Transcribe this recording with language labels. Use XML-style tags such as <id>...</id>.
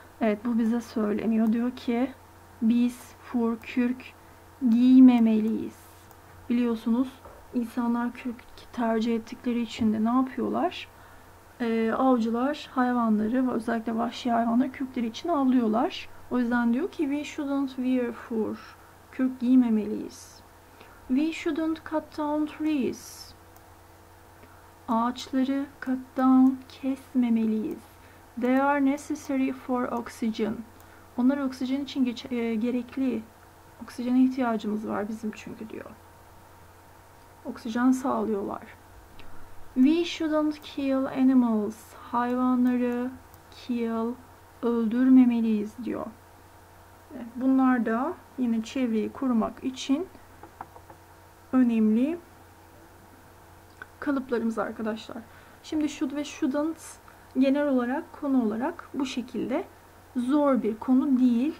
<tr>Evet, bu bize söyleniyor. Diyor ki biz fur, kürk giymemeliyiz. Biliyorsunuz insanlar kürk tercih ettikleri için de ne yapıyorlar? Avcılar hayvanları ve özellikle vahşi hayvanları kürkleri için avlıyorlar. O yüzden diyor ki</tr> <en>we shouldn't wear fur.</en> <tr>Kürk giymemeliyiz.</tr> <en>We shouldn't cut down trees.</en> <tr>Ağaçları cut down kesmemeliyiz.</tr> <en>They are necessary for oxygen.</en> <tr>Onlar oksijen için gerekli. Oksijene ihtiyacımız var bizim çünkü diyor. Oksijen sağlıyorlar.</tr> <en>We shouldn't kill animals.</en> <tr>Hayvanları öldürmemeliyiz diyor. Bunlar da yine çevreyi korumak için önemli kalıplarımız arkadaşlar. Şimdi should ve shouldn't genel olarak konu olarak bu şekilde, zor bir konu değil.</tr>